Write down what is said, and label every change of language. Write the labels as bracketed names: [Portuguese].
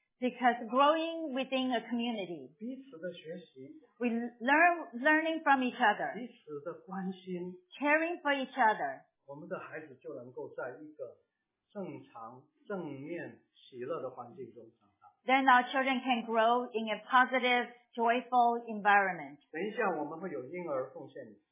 [English] Because growing within a community, [Chinese] 彼此的学习, [English] we learning from each other, [Chinese] 彼此的关心, [English] caring for each other, [Chinese] 我们的孩子就能够在一个正常、正面、喜乐的环境中长大。 [English] Then our children can grow in a positive, joyful environment. [Chinese] 等一下我们会有婴儿奉献礼。